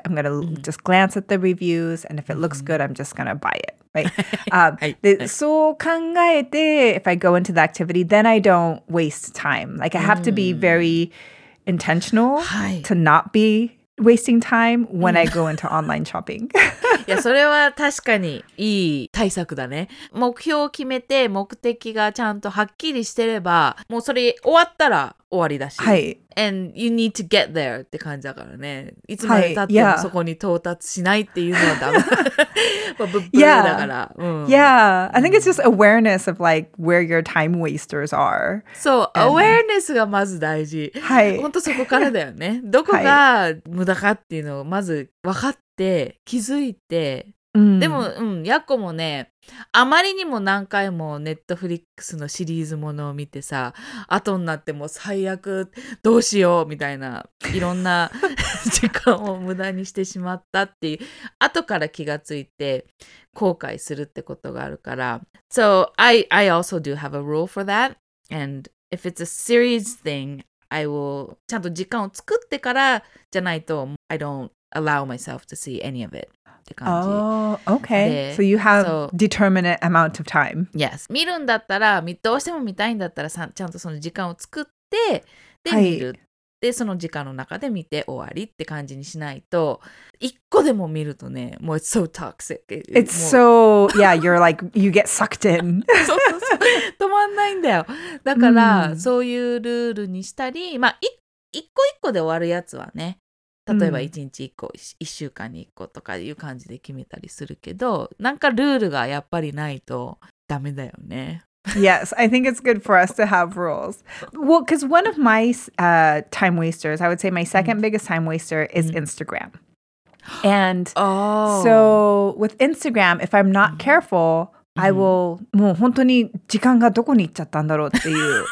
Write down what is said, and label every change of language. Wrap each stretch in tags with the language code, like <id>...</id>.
<en>I'm going to just glance at the reviews. And if it looks good, I'm just going to buy it. Right. So,</en> <ja>考えて</ja> <en>if I go into the activity, then I don't waste time. Like, I have to be very intentional to not be wasting time when I go into online shopping.</en> <ja>いや、それは確かにいい対策だね。目標を決めて目的がちゃんとはっきりしてれば、もうそれ終わったら終わりだし。はい。</ja> <en>And you need to get there</en> <ja>って感じだからね。いつまで経ってもそこに到達しないっていうのはダメ。まあ、ぶっぶりだから。</ja> <en>Yeah. I think it's just awareness of like where your time wasters are.</en> <ja>そう、awareness がまず大事。はい。本当そこからだよね。どこが無駄かっていうのをまず分かって、気づいて、でも、ヤッコもね、あまりにも何回もネットフリックスのシリーズものを見てさ、後になっても最悪どうしようみたいな、いろんな時間を無駄にしてしまったっていう、後から気がついて後悔するってことがあるから。</ja> <en>So, I also do have a rule for that. And if it's a serious thing, I will</en> <ja>ちゃんと時間を作ってからじゃないと、</ja> <en>I don't allow myself to see any of it. Oh, okay. So you have determinate amount of time. Yes.</en> <ja>見るんだったら、どうしても見たいんだったら、ちゃんとその時間を作って、で、見る。で、その時間の中で見て終わりって感じにしないと、一個でも見るとね、もう</ja> <en>it's so toxic. It's so, yeah, you're like, you get sucked in.</en> <ja>そうそうそう。止まんないんだよ。だから、そういうルールにしたり、まあ、一個一個で終わるやつはね、例えば1日1個、1週間に1個とかいう感じで決めたりするけど、なんかルールがやっぱりないとダメだよね。</ja> <en>Yes, I think it's good for us to have rules. Well, because one of my time wasters, I would say my second biggest time waster is Instagram. And so with Instagram, if I'm not careful, I will,</en> <ja>もう本当に時間がどこに行っちゃったんだろうっていう。</ja>